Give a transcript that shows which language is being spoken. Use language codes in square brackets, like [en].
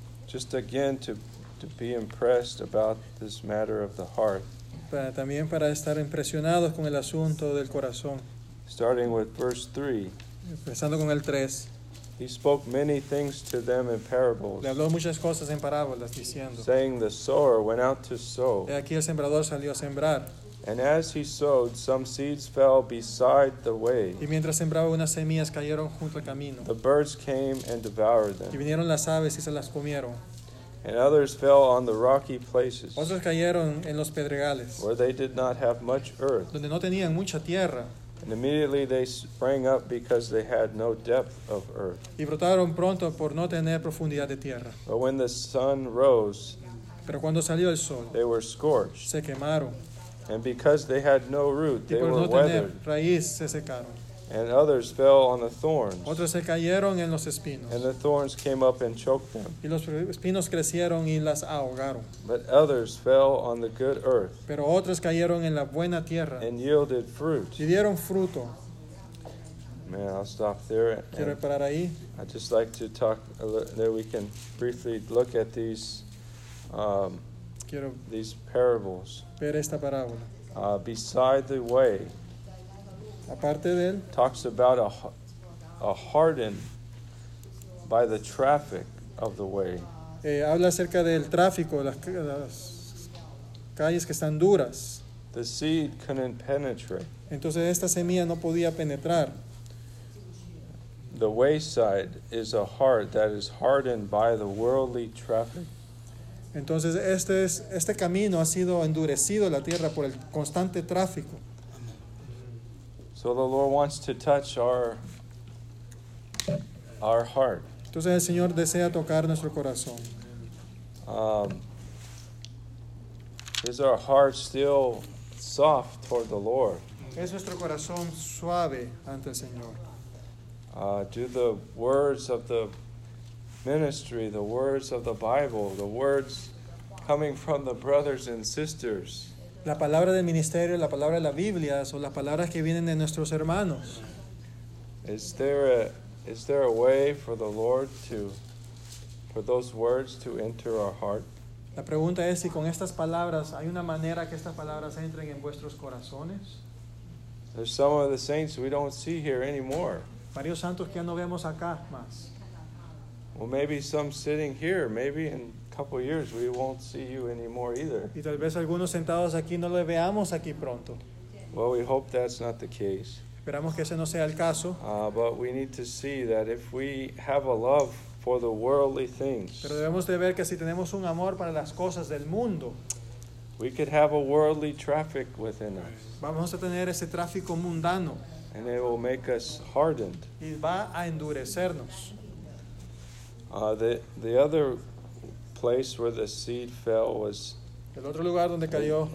[en] Just again to be impressed about this matter of the heart. [es] Para, también para estar impresionados con el asunto del corazón. [en] Starting with verse 3. [es] Empezando con el 3. [en] He spoke many things to them in parables. [es] Le habló muchas cosas en parábolas diciendo. [en] Saying the sower went out to sow. [es] He aquí el sembrador salió a sembrar. [en] And as he sowed, some seeds fell beside the way. [es] Y mientras sembraba unas semillas cayeron junto al camino. [en] The birds came and devoured them. [es] Y vinieron las aves y se las comieron. [en] And others fell on the rocky places. [es] Otros cayeron en los pedregales. [en] Where they did not have much earth. [es] Donde no tenían mucha tierra. [en] And immediately they sprang up because they had no depth of earth. [es] Y brotaron pronto por no tener profundidad de tierra. [en] But when the sun rose, [es] pero cuando salió el sol, [en] they were scorched. [es] Se quemaron. [en] And because they had no root, [es] y [en] they [es] por [en] were [es] no [en] weathered. [es] Tener raíz, se secaron. [en] And others fell on the thorns. [es] Otros se cayeron en los espinos. [en] And the thorns came up and choked them. [es] Y los espinos crecieron y las ahogaron. [en] But others fell on the good earth. [es] Pero otros cayeron en la buena tierra. [en] And yielded fruit. [es] Y dieron fruto. [en] Man, I'll stop there. [es] Quiero parar ahí. [en] I'd just like to talk a little, there we can briefly look at these, [es] quiero [en] these parables. [es] Ver esta parábola. [en] Beside the way. [es] Aparte de él, [en] talks about a hardened by the traffic of the way. [es] Habla acerca del tráfico, las calles que están duras. [en] The seed couldn't penetrate. [es] Entonces esta semilla no podía penetrar. [en] The wayside is a heart that is hardened by the worldly traffic. [es] Entonces este camino ha sido endurecido la tierra por el constante tráfico. [en] So the Lord wants to touch our heart. [es] Entonces el Señor desea tocar nuestro corazón. [en] Is our heart still soft toward the Lord? [es] ¿Es nuestro corazón suave ante el Señor? [en] Do the words of the ministry, the words of the Bible, the words coming from the brothers and sisters. [es] La palabra del ministerio, la palabra de la Biblia, son las palabras que vienen de nuestros hermanos. [en] Is there a way for the Lord to, for those words to enter our heart? [es] La pregunta es si con estas palabras hay una manera que estas palabras entren en vuestros corazones. [en] There's some of the saints we don't see here anymore. [es] Varios santos que ya no vemos acá más. [en] Well, maybe some sitting here, maybe in couple years we won't see you anymore either. [es] Y tal vez algunos sentados aquí no lo veamos aquí pronto. [en] Well, we hope that's not the case. [es] Esperamos que ese no sea el caso. [en] But we need to see that if we have a love for the worldly things. [es] Pero debemos de ver que si tenemos un amor para las cosas del mundo. [en] We could have a worldly traffic within us. [es] Vamos a tener ese tráfico mundano. [en] And it will make us hardened. [es] Y va a endurecernos. [en] The other place where the seed fell was [es] el otro lugar donde cayó,